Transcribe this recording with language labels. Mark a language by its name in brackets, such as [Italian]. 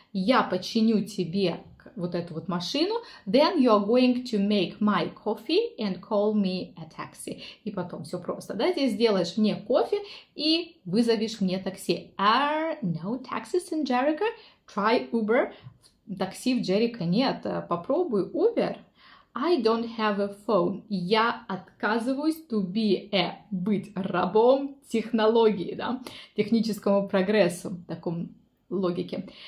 [Russian] Я починю тебе вот эту вот машину. [English] Then you're going to make my coffee and call me a taxi. [Russian] И потом все просто, да? Ты сделаешь мне кофе и вызовешь мне такси. [English] Are no taxis in Jericho? Try Uber. [Russian] Такси в Jericho нет. Попробуй Uber. [English] I don't have a phone. [Russian] Я отказываюсь [English] to be a, [Russian] быть рабом технологии, да, техническому прогрессу, таком логике.